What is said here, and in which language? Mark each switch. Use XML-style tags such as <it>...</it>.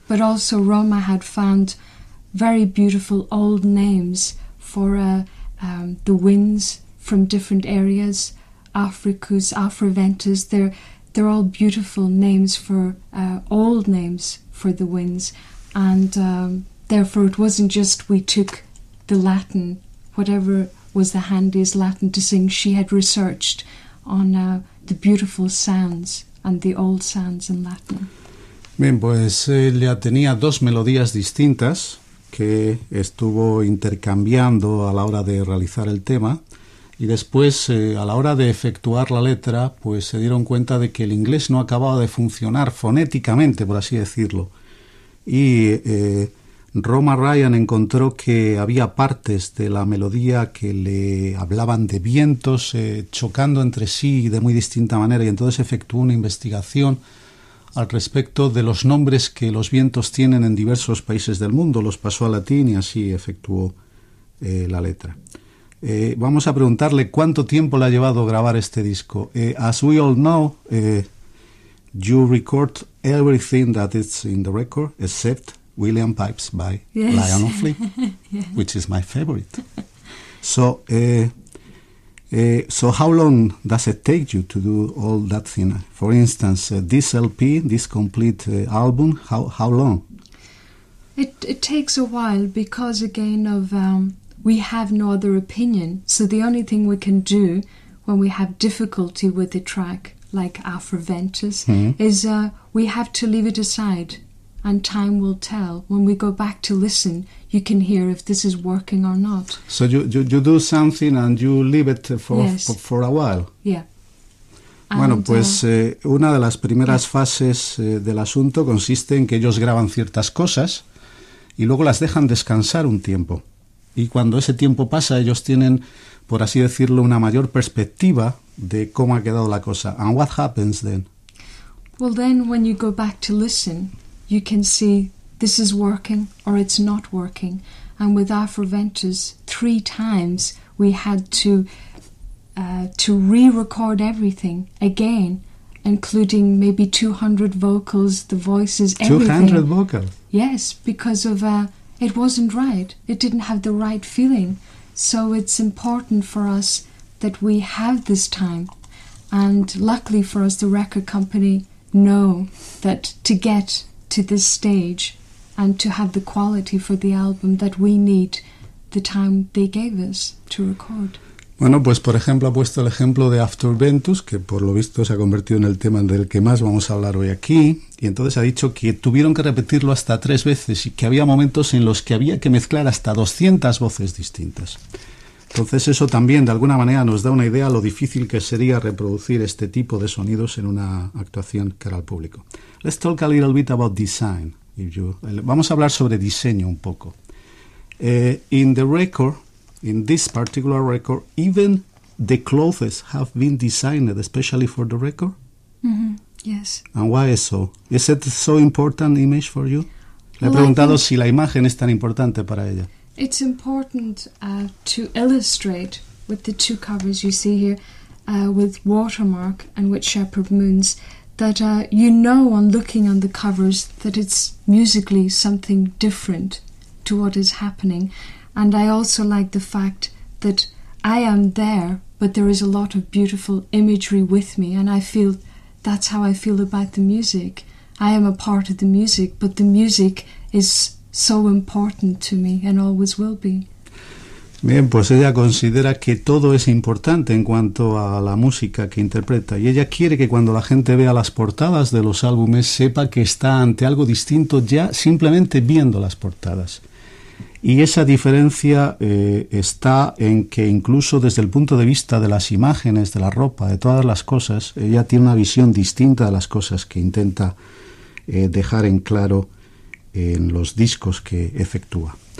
<en>But also Roma had found very beautiful old names for the winds from different areas, Africus, Afroventus, they're all beautiful names for, old names for the winds, and therefore it wasn't just we took the Latin, whatever was the handiest Latin to sing, she had researched on the beautiful sounds and the old sounds in Latin.</en> <es>Bien, pues ella tenía dos melodías distintas que estuvo intercambiando a la hora de realizar el tema. Y después, a la hora de efectuar la letra, pues se dieron cuenta de que el inglés no acababa de funcionar fonéticamente, por así decirlo. Y Roma Ryan encontró que había partes de la melodía que le hablaban de vientos chocando entre sí de muy distinta manera, y entonces efectuó una investigación al respecto de los nombres que los vientos tienen en diversos países del mundo, los pasó a latín y así efectuó la letra. Vamos a preguntarle cuánto tiempo le ha llevado grabar este disco.</es> <en>As we all know, you record everything that is in the record except William Pipes by yes. Lion of Lee, yes. Which is my favorite. So, so how long does it take you to do all that thing? For instance, this LP, this complete album, how long? It takes a while because, again, of we have no other opinion. So the only thing we can do when we have difficulty with the track, like Afroventus, is we have to leave it aside. And time will tell. When we go back to listen, you can hear if this is working or not. So you do something and you leave it for a while. Yeah.</en> <es>Bueno, pues una de las primeras fases del asunto consiste en que ellos graban ciertas cosas y luego las dejan descansar un tiempo. Y cuando ese tiempo pasa, ellos tienen, por así decirlo, una mayor perspectiva de cómo ha quedado la cosa.</es> <en>And what happens then? Well, then when you go back to listen, you can see this is working or it's not working. And with Afroventus, three times we had to re-record everything again, including maybe 200 vocals, the voices, everything. 200 vocals? Yes, because of it wasn't right. It didn't have the right feeling. So it's important for us that we have this time. And luckily for us, the record company know that to get to this stage and to have the quality for the album that we need, the time they gave us to record.</en> <es>Bueno, pues por ejemplo ha puesto el ejemplo de Afroventus, que por lo visto se ha convertido en el tema del que más vamos a hablar hoy aquí, y entonces ha dicho que tuvieron que repetirlo hasta tres veces y que había momentos en los que había que mezclar hasta 200 voces distintas. Entonces eso también de alguna manera nos da una idea de lo difícil que sería reproducir este tipo de sonidos en una actuación cara al público.</es> <en>Let's talk a little bit about design.</en> <es>Vamos a hablar sobre diseño un poco.</es> <en>In the record, in this particular record, even the clothes have been designed especially for the record? Mm-hmm. Yes. And why is so? Is it so important image for you?</en> <es>Le he preguntado si la imagen es tan importante para ella.</es> <en>It's important to illustrate with the two covers you see here, with Watermark and with Shepherd Moons, that you know on looking on the covers that it's musically something different to what is happening. And I also like the fact that I am there, but there is a lot of beautiful imagery with me, and I feel that's how I feel about the music. I am a part of the music, but the music is so important to me and always will be.</en> <es>Bien, pues ella considera que todo es importante en cuanto a la música que interpreta, y ella quiere que cuando la gente vea las portadas de los álbumes sepa que está ante algo distinto ya simplemente viendo las portadas. Y esa diferencia está en que incluso desde el punto de vista de las imágenes, de la ropa, de todas las cosas, ella tiene una visión distinta de las cosas que intenta dejar en claro en los discos que efectúa.</es>